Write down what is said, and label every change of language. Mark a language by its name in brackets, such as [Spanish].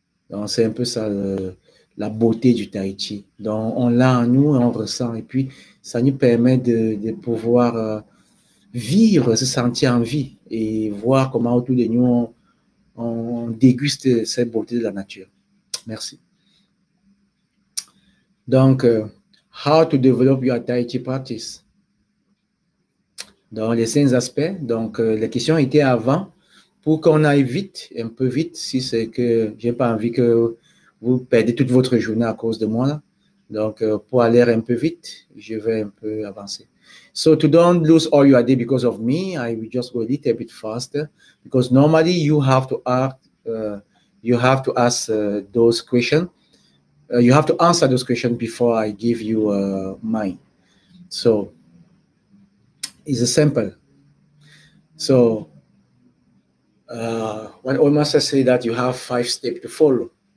[French] Donc, c'est un peu ça, la beauté du Tai Chi. Donc, on l'a en nous et on ressent. Et puis, ça nous permet de pouvoir vivre, se sentir en vie et voir comment autour de nous, on déguste cette beauté de la nature. Merci. [English] Donc, how to develop your Tai Chi practice? [French] Dans les cinq aspects, donc les questions étaient avant, pour qu'on aille vite, un peu vite, si c'est que je n'ai pas envie que vous perdez toute votre journée à cause de moi. Là. Donc, pour aller un peu vite, je vais un peu avancer. [English] So, to don't lose all your day because of me, I will just go a little bit faster because normally you have to answer those questions before I give you mine. So, it's simple. So, what must I say that you have five steps to follow?